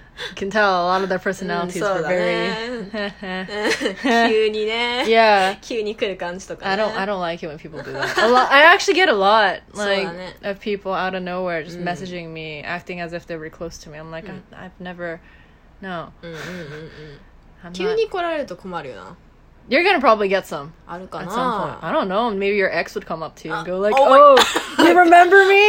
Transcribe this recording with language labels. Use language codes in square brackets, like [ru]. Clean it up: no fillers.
[en] You can tell a lot of their personalities were very... [ja] 急にね。 [en] Yeah. [ja] 急に来る感じとかね。 [en] I don't like it when people do that. I actually get a lot, like, of people out of nowhere just messaging me, acting as if they were close to me. I'm like, I've never... No. [ja] 急に来られると困るよな。 [en] You're gonna probably get some. [ja] あるかな? [en] At some point. I don't know. Maybe your ex would come up to you and go like, oh, you remember me?